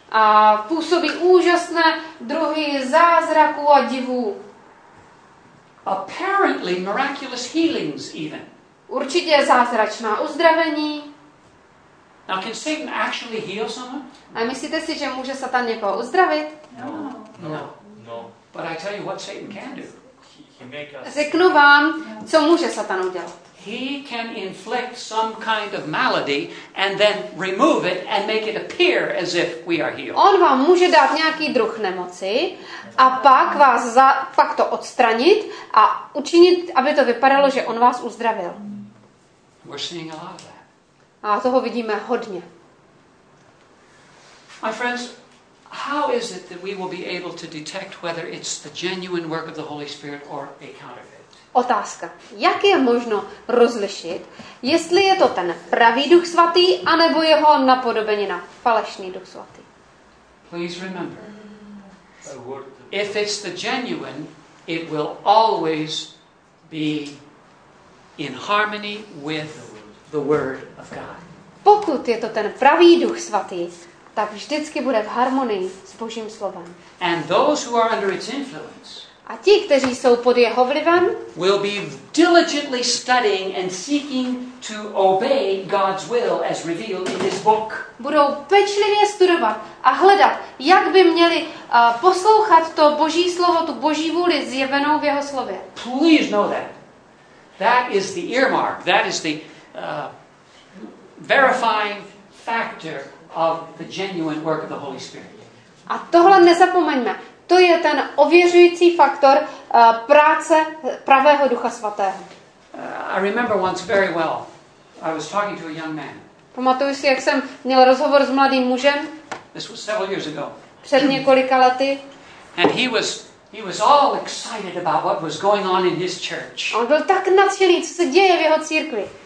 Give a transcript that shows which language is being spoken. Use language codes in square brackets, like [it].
[cs] A působí úžasné druhy zázraků a divů. [en] Apparently miraculous healings even. [cs] Určitě zázračná uzdravení. [en] Now, can Satan actually heal someone? [cs] A myslíte si, že může Satan někoho uzdravit? [en] No. But I tell you what Satan can do. [cs] Řeknu vám, co může Satan udělat. [en] He can inflict some kind of malady and then remove it and make it appear as if we are healed. [cs] On vám může dát nějaký druh nemoci a pak vás pak to odstranit a učinit, aby to vypadalo, že on vás uzdravil. [en] We're seeing a lot of that. [cs] A toho vidíme hodně. [en] My friends, how is it that we will be able to detect whether it's the genuine work of the Holy Spirit or a counterfeit? [cs] Otázka. Jak je možno rozlišit, jestli je to ten pravý Duch Svatý, anebo jeho napodobenina, falešný Duch Svatý? [en] Please remember, if it's the genuine, it will always be in harmony with the Word of God. [cs] Pokud je to ten pravý Duch Svatý, tak vždycky bude v harmonii s Božím slovem. [en] And those who are under its influence, [cs] a ti, kteří jsou pod jeho vlivem, [en] will be diligently studying and seeking to obey God's will as revealed in this book. [cs] Budou pečlivě studovat a hledat, jak by měli poslouchat to Boží slovo, tu Boží vůli zjevenou v jeho slově. [en] Please know that. That is the earmark. That is the verifying factor of the genuine work of the Holy Spirit. [cs] A tohle nezapomeňme. To je ten ověřující faktor práce pravého Ducha Svatého. [en] I remember once very well. I was talking to a young man. [cs] Pamatuju si, jak jsem měl rozhovor s mladým mužem. [en] This was several years ago. [cs] Před několika lety. [en] And he was all excited about what was going on in his church. [cs] On byl tak nadšený, co se děje v jeho církvi.